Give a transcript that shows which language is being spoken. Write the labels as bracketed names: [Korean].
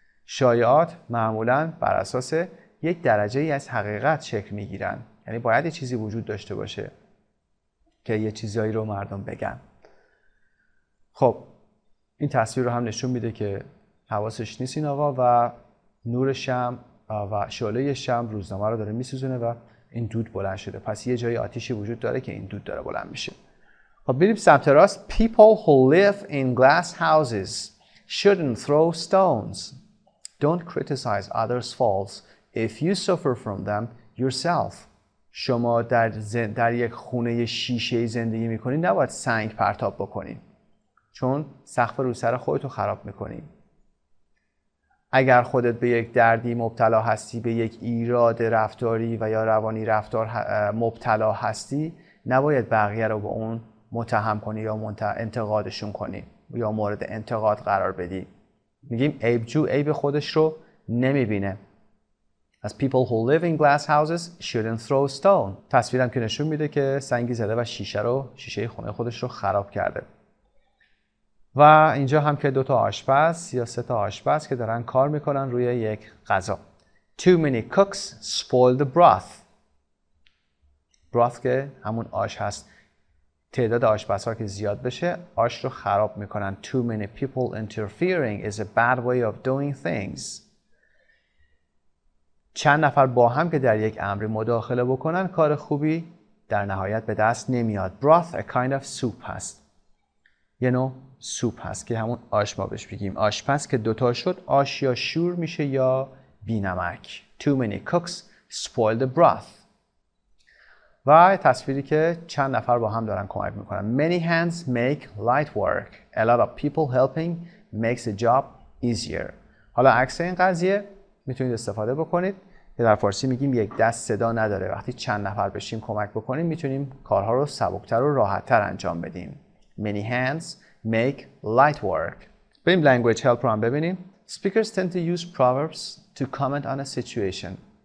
[Persian] شایعات معمولا بر اساس یک درجه ای از حقیقت شکل میگیرن، یعنی باید یه چیزی وجود داشته باشه که یه چیزایی رو مردم بگن. خب این تصویر رو هم نشون میده که حواسش نیست این آقا و نور شمع و شعله شمع روزنامه رو داره میسوزونه و این دود بلند شده. پس یه جای آتیشی وجود داره که این دود داره بلند میشه. خب بریم سمت راست. [English] People who live in glass houses shouldn't throw stones. Don't criticize others' faults if you suffer from them yourself. [Persian] شما در یک خونه شیشه‌ای زندگی میکنی، نباید سنگ پرتاب بکنی، چون سقف رو سر خودتو خراب میکنی. اگر خودت به یک دردی مبتلا هستی، به یک ایراد رفتاری و یا روانی رفتار مبتلا هستی، نباید بقیه رو به اون متهم کنی یا انتقادشون کنی یا مورد انتقاد قرار بدی. میگیم عیب جو عیب خودش رو نمیبینه. [English] As people who live in glass houses shouldn't throw stone. [Persian] تصویرم که نشون میده که سنگی زده و شیشه خونه خودش رو خراب کرده. و اینجا هم که دوتا آشپز یا سه تا آشپز که دارن کار میکنن روی یک غذا. [English] Too many cooks spoil the broth. Broth [Persian] که همون آش هست. تعداد آشپزها که زیاد بشه آش رو خراب میکنن. [English] Too many people interfering is a bad way of doing things. [Persian] چند نفر با هم که در یک امر مداخله بکنن کار خوبی در نهایت به دست نمیاد. [English] Broth a kind of soup [Persian] هست. یه نوع سوپ هست که همون آش ما بهش بگیم. آشپز که دوتا شد آش یا شور میشه یا بی نمک. [English] Too many cooks spoil the broth. [Persian] و تصویری که چند نفر با هم دارن کمک میکنن. [English] Many hands make light work. A lot of people helping makes a job easier. [Persian] حالا عکس این قضیه میتونید استفاده بکنید که در فارسی میگیم یک دست صدا نداره. وقتی چند نفر بشیم کمک بکنیم میتونیم کارها رو سبکتر و راحتتر انجام بدیم. Many hands make light work. بریم language help رو هم ببینیم. [English] Speakers tend to use proverbs to comment on a situation.